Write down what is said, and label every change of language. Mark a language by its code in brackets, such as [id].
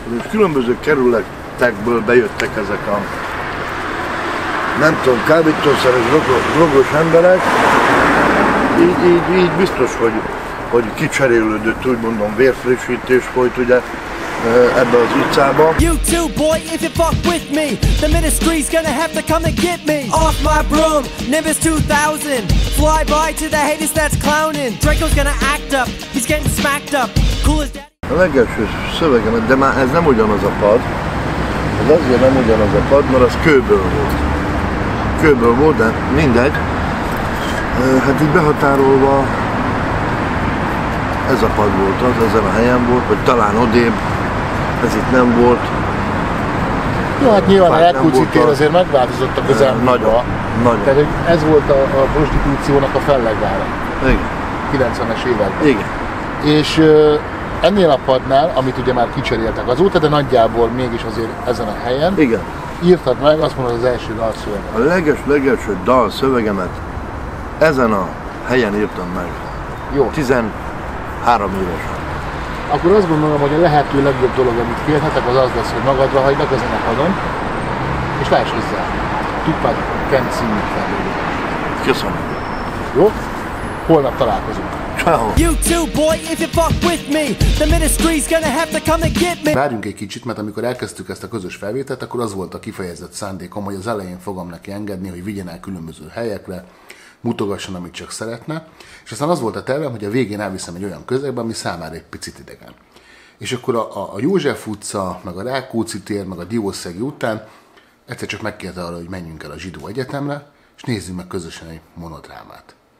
[hu] Különböző kerületekből bejöttek ezek a, nem tudom, kábítószeres, drogos emberek. Így biztos, hogy kicserélődött, úgymondom, vérfrissítés folyt ugye ebbe az utcába. [en] You too, boy, if you fuck with me, the ministry's gonna have to come and get me. Off my broom, Nimbus 2000, fly by to the haters that's clowning. Draco's gonna act up, he's getting smacked up. Cool as dead. [hu] A legelső szövegem, de már ez nem ugyanaz a pad. Ez azért nem ugyanaz a pad, mert az kőből volt. Kőből volt, de mindegy. Hát így behatárolva ez a pad volt az, ezen a helyen volt, vagy talán odébb, ez itt nem volt. Jó, hát nyilván a Rákóczi-tér azért megváltozott a közelmúltban. Nagyon. Tehát ez volt a prostitúciónak a fellegvára. Igen. 90-es években. Igen. És ennél a padnál, amit ugye már kicseréltek azóta, de nagyjából mégis azért ezen a helyen. Igen. Írtad meg, azt mondod, az első dalszöveg. A leges-legelső dalszövegemet ezen a helyen írtam meg. Jó. 13 évesen. Akkor azt gondolom, hogy a lehető legjobb dolog, amit kérhetek, az az lesz, hogy magadra hagylak ezen a padon, és láss hozzá. Tupac Kent című felvédőt. Köszönöm. Jó? Holnap találkozunk. [en] You too, boy, if you fuck with me, the ministry's gonna have to come and get me. [hu] Várjunk egy kicsit, mert amikor elkezdtük ezt a közös felvételt, akkor az volt a kifejezett szándékom, hogy az elején fogom neki engedni, hogy vigyen el különböző helyekre, mutogasson, amit csak szeretne, és aztán az volt a tervem, hogy a végén elviszem egy olyan közegbe, ami számára egy picit idegen. És akkor a József utca, meg a Rákóczi tér, meg a Diószegi után egyszer csak megkérte arra, hogy menjünk el a Zsidó Egyetemre, és nézzünk meg közösen egy monodrámát.